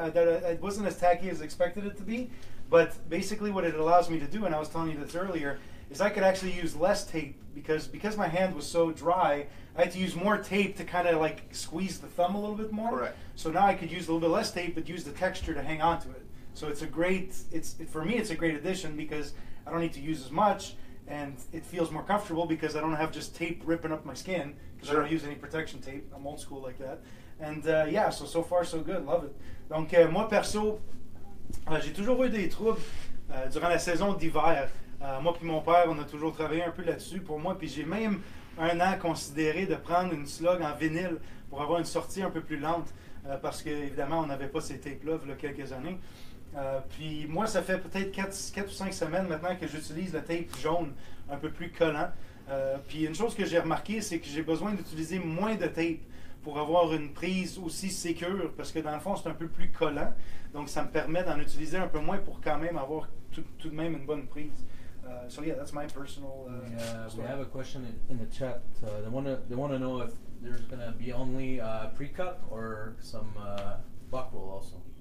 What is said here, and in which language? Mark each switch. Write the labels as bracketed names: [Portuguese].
[English] It wasn't as tacky as I expected it to be. But basically what it allows me to do, and I was telling you this earlier, is I could actually use less tape because my hand was so dry, I had to use more tape to kind of like squeeze the thumb a little bit more. Correct. So now I could use a little bit less tape but use the texture to hang on to it. So it's a great, it's a great addition because I don't need to use as much and it feels more comfortable because I don't have just tape ripping up my skin because sure. I don't use any protection tape. I'm old school like that. And yeah, so far so good, love it. [French] Donc moi perso, j'ai toujours eu des troubles durant la saison d'hiver. Moi puis mon père, on a toujours travaillé un peu là-dessus pour moi, puis j'ai même un an considéré de prendre une slug en vinyle pour avoir une sortie un peu plus lente, parce qu'évidemment, on n'avait pas ces tapes-là il y a quelques années. Puis moi, ça fait peut-être 4 ou 5 semaines maintenant que j'utilise le tape jaune, un peu plus collant. Puis une chose que j'ai remarqué, c'est que j'ai besoin d'utiliser moins de tape pour avoir une prise aussi sécure, parce que dans le fond, c'est un peu plus collant. Donc ça me permet d'en utiliser un peu moins pour quand même avoir tout de même une bonne prise. [English] So yeah, that's my personal. We have a question in the chat. They wanna know if there's gonna be only pre-cut or some buck roll also.